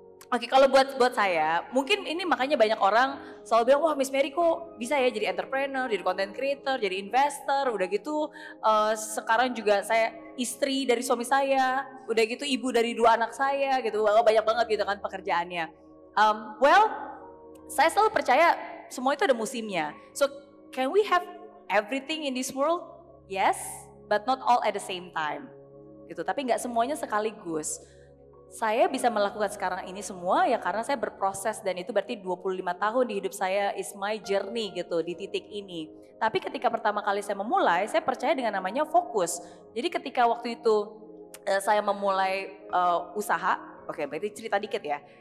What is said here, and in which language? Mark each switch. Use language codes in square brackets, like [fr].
[id] Kalau buat saya, mungkin ini makanya banyak orang selalu bilang, wah Miss Mary kok bisa ya jadi entrepreneur, jadi content creator, jadi investor, udah gitu. Sekarang juga saya istri dari suami saya, udah gitu ibu dari dua anak saya gitu. Wah, banyak banget gitu kan pekerjaannya. Saya selalu percaya semua itu ada musimnya. [en] So, can we have everything in this world? Yes, but not all at the same time. [id] Gitu, tapi gak semuanya sekaligus. Saya bisa melakukan sekarang ini semua ya karena saya berproses, dan itu berarti 25 tahun di hidup saya [en] is my journey [id] gitu di titik ini. Tapi ketika pertama kali saya memulai, saya percaya dengan namanya fokus. Jadi ketika waktu itu saya memulai usaha, oke, berarti cerita dikit ya.